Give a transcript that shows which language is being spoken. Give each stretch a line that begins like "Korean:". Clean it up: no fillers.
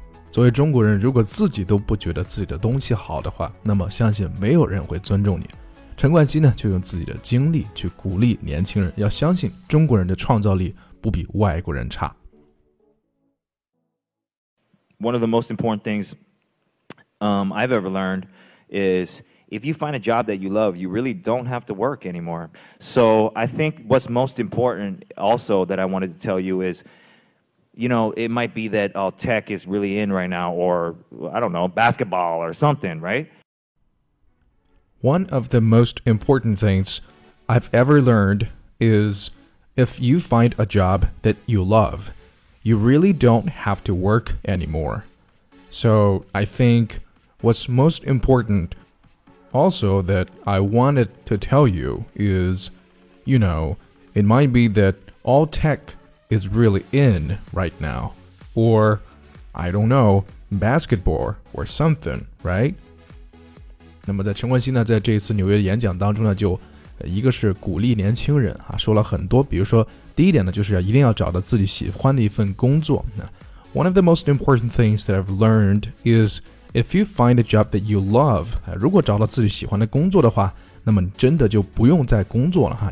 Chinese: 作为中国人，如果自己都不觉得自己的东西好的话，那么相信没有人会尊重你。陈冠希呢，就用自己的经历去鼓励年轻人要相信中国人的创造力不比外国人差。
English: One of the most important things, I've ever learned is if you find a job that you love, you really don't have to work anymore. So I think what's most important also that I wanted to tell you is, you know, it might be that tech is really in right now, or I don't know, basketball or something, right? One of the most important things I've ever learned is if you find a job that you love,You really don't have to work anymore. So I think what's most important also that I wanted to tell you is, you know, it might be that all tech is really in right now. Or, I don't know, basketball or something, right?
Chinese: 那么在陈冠希呢，在这一次纽约演讲当中呢，就一个是鼓励年轻人啊，说了很多，比如说第一点呢，就是要一定要找到自己喜欢的一份工作。
English: One of the most important things that I've learned is if you find a job that you love, 如果找到自己喜欢的工作的话，那么真的就不用再工作了哈。